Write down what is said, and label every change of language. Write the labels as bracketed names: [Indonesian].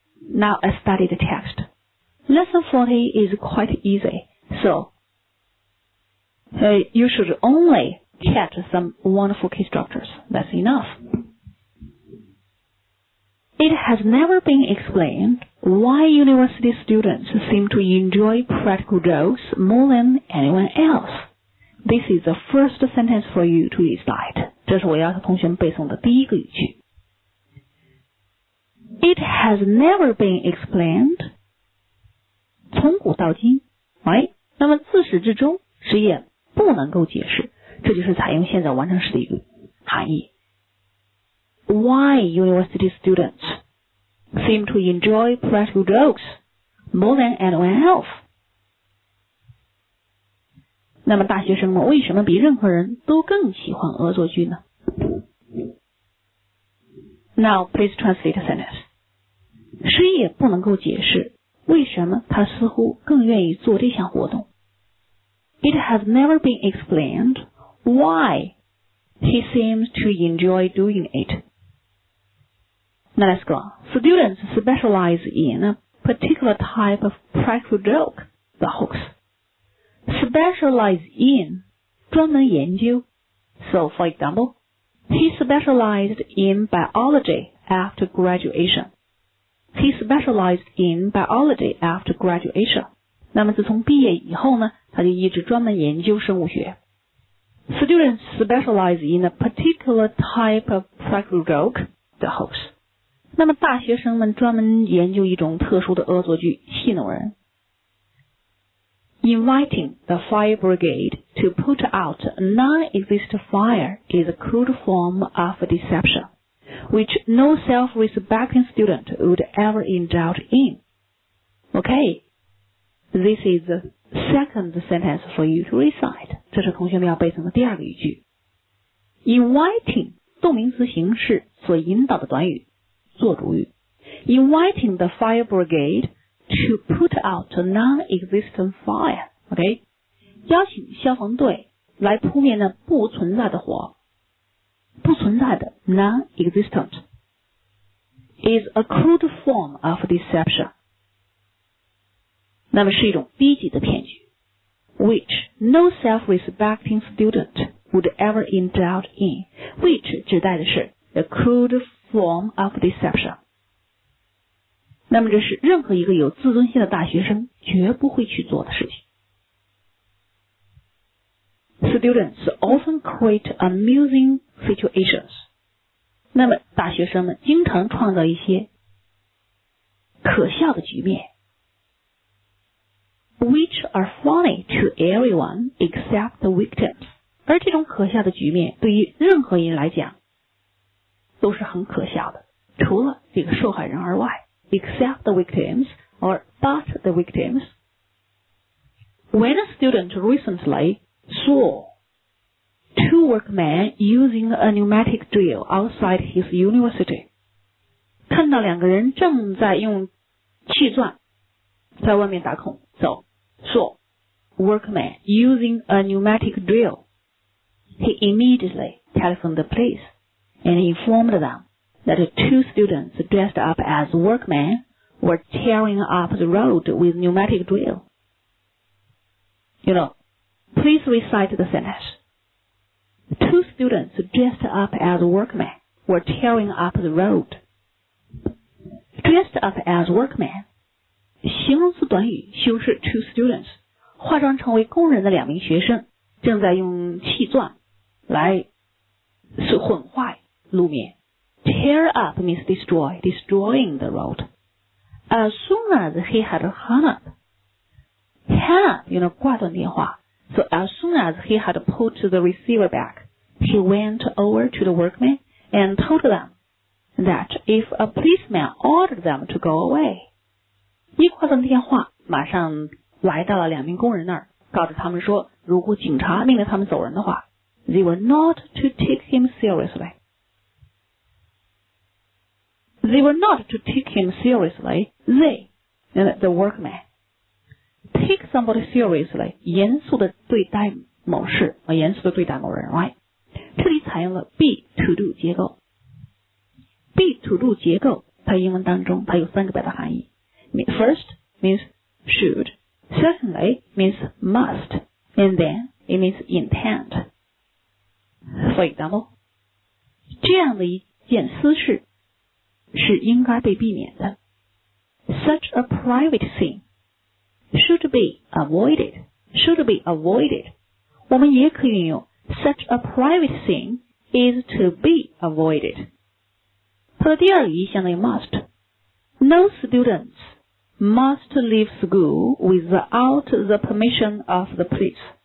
[English] Now I study the text. Lesson 40 is quite easy, so,you should only catch some wonderful key structures. That's enough. It has never been explained why university students seem to enjoy practical jokes more than anyone else. This is the first sentence for you to recite. [Chinese] 这是我要求同学们背诵的第一个语句。 [English] It has never been explained [Chinese] 从古到今 [English] right? [Chinese] 那么自始至终实验不能够解释，这就是采用现在完成时的一个含义。 [English] Why university students seem to enjoy practical jokes more than anyone else? [Chinese] 那么大学生们为什么比任何人都更喜欢恶作剧呢？ [English] Now please translate a sentence. [Chinese] 谁也不能够解释为什么他似乎更愿意做这项活动。 [English] It has never been explained why he seems to enjoy doing it. Now let's go. Students specialize in a particular type of practical joke, the hoax. Specialize in, [Chinese] 专门研究。 [English] So, for example, he specialized in biology after graduation. He specialized in biology after graduation. [Chinese] 那么自从毕业以后呢，他就一直专门研究生物学。 [English] Students specialize in a particular type of practical joke, the hoax. [Chinese] 那么大学生们专门研究一种特殊的恶作剧，戏弄人。 [English] Inviting the fire brigade to put out a non-existent fire is a crude form of deception, which no self-respecting student would ever indulge in. Okay. This is the second sentence for you to recite. [Chinese] 这是同学们要背诵的第二个语句。 Inviting, 动名词形式所引导的短语做主语。 [English] Inviting the fire brigade to put out a non-existent fire. [Chinese] OK， 邀请消防队来扑灭那不存在的火，不存在的 [English] non-existent is a crude form of deception， [Chinese] 那么是一种低级的骗局， [English] which no self-respecting student would ever indulge in， which [Chinese] 指代的是 [English] the crude form of deception， [Chinese] 那么这是任何一个有自尊心的大学生绝不会去做的事情。 [English] Students often create amusing situations. [Chinese] 那么大学生们经常创造一些可笑的局面 [English] which are funny to everyone except the victims. [Chinese] 而这种可笑的局面对于任何人来讲都是很可笑的，除了这个受害人而外 [English] except the victims or but the victims. When a student recently saw two workmen using a pneumatic drill outside his university. [Chinese] 看到两个人正在用气钻在外面打孔走 [English] So, workmen using a pneumatic drill. He immediately telephoned the police and informed them that two students dressed up as workmen were tearing up the road with pneumatic drill. You know,Please recite the sentence. Two students dressed up as workmen were tearing up the road. Dressed up as workmen. [Chinese] 形容词短语修饰 [English] two students. [Chinese] 化妆成为工人的两名学生正在用气钻来混坏路面。 [English] Tear up means destroy, destroying the road. As soon as he had hung up, hung up, [Chinese] 挂断电话。 [English] So as soon as he had put the receiver back, he went over to the workmen and told them that if a policeman ordered them to go away, [Chinese] 一挂断电话马上来到了两名工人那儿，告诉他们说如果警察命令他们走人的话 [English] they were not to take him seriously. They were not to take him seriously. They, the workmen,Take somebody seriously, [Chinese] 严肃地对待某事，严肃地对待某人 [English] right? [Chinese] 这里采用了 [English] be to do [Chinese] 结构。 [English] Be to do [Chinese] 结构在英文当中它有三个表达含义。 [English] First means should, secondly means must, and then it means intent. For example, [Chinese] 这样的一件私事是应该被避免的。 [English] Such a private thingShould be avoided. Should be avoided. [Chinese] 我们也可以运用 [English] Such a private thing is to be avoided. [Chinese] 它的第二语义相当于 [English] must. No students must leave school without the permission of the police.